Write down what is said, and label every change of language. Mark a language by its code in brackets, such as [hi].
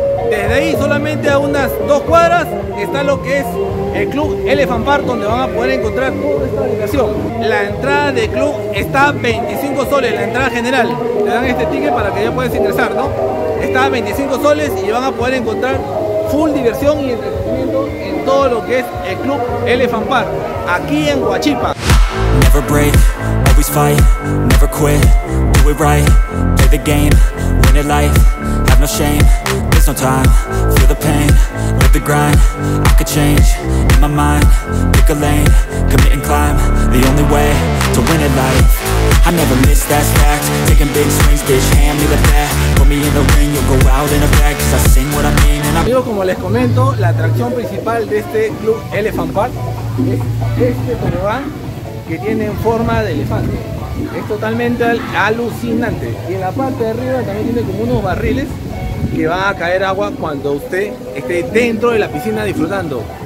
[es] Desde ahí solamente a unas dos cuadras está lo que es el Club Elephant Park, donde van a poder encontrar toda esta diversión. La entrada del club está a 25 soles, la entrada general. Le dan este ticket para que ya puedas ingresar, ¿no? Está a 25 soles y van a poder encontrar full diversión y entretenimiento en todo lo que es el Club Elephant Park, aquí en Huachipa. [en] Never break, always fight, never quit, do it right, play the game, win it life, have no shame. There's no time, feel the pain, live the grind. I could change in my mind, pick a lane, commit and climb. The only way to win at life. I never miss that fact. Taking big swings, bitch, hand me the bat. Put me in the ring, you'll go out in a bag. Cause I sing what I mean and I'm. [es] Amigos, como les comento, la atracción principal de este Club Elephant Park es este tobogán que tiene forma de elefante. Es totalmente alucinante. Y en la parte de arriba también tiene como unos barriles que va a caer agua cuando usted esté dentro de la piscina disfrutando.